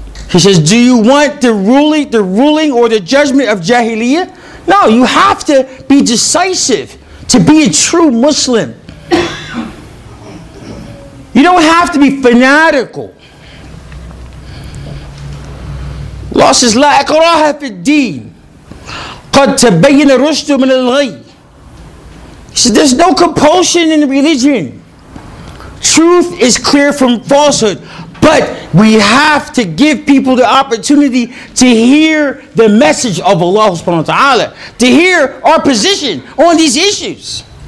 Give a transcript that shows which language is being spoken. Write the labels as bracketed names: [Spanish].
[English] He says, do you want the ruling or the judgment of jahiliyyah? No, you have to be decisive to be a true Muslim. You don't have to be fanatical. [Arabic] Allah says, لا إكراه في الدين قد تبين الرشد من الغي. [English] He says, there's no compulsion in religion. Truth is clear from falsehood. But we have to give people the opportunity to hear the message of Allah subhanahu wa ta'ala, to hear our position on these issues.